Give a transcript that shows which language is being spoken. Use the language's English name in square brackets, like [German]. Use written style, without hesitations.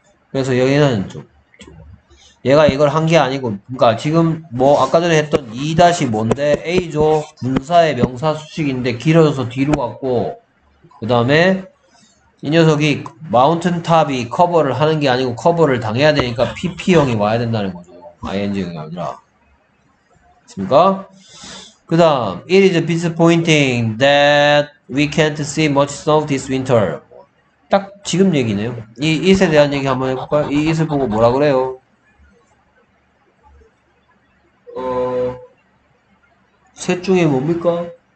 [Korean] 그래서 여기는 좀 얘가 이걸 한 게 아니고 그러니까 지금 뭐 아까 전에 했던 2-이 뭔데? A죠. 분사의 명사 수식인데 길어져서 뒤로 갔고 그 다음에 이 녀석이 마운틴 탑이 커버를 하는 게 아니고 커버를 당해야 되니까 PP형이 와야 된다는 거죠. ING형이 아니라. 그 다음 [English] It is disappointing that we can't see much snow this winter. [Korean] 딱 지금 얘기네요. 이 잇에 대한 얘기 한번 해볼까요? 이 잇을 보고 뭐라 그래요? 셋 중에 뭡니까?